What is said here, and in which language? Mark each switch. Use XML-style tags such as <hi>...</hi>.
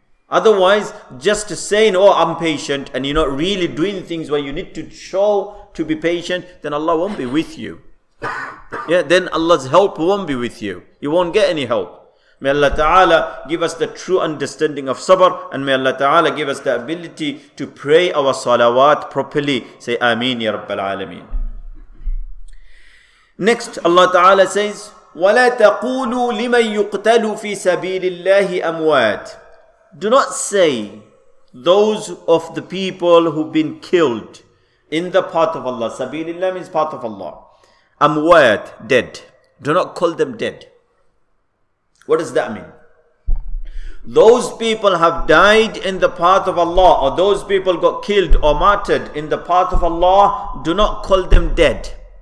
<en>Otherwise, just saying, oh, I'm patient, and you're not really doing things where you need to show to be patient, then Allah won't be with you. Yeah, then Allah's help won't be with you. You won't get any help. May Allah Ta'ala give us the true understanding of sabr, and may Allah Ta'ala give us the ability to pray our salawat properly. Say, Ameen, Ya Rabbal Alameen. Next, Allah Ta'ala says,</en> <ar>وَلَا تَقُولُوا لِمَنْ يُقْتَلُوا فِي سَبِيلِ اللَّهِ أَمْوَاتِ.</ar> <en>Do not say, those of the people who've been killed in the path of Allah. Sabilillah means path of Allah. Amwat, dead. Do not call them dead. What does that mean? Those people have died in the path of Allah, or those people got killed or martyred in the path of Allah, do not call them dead.</en>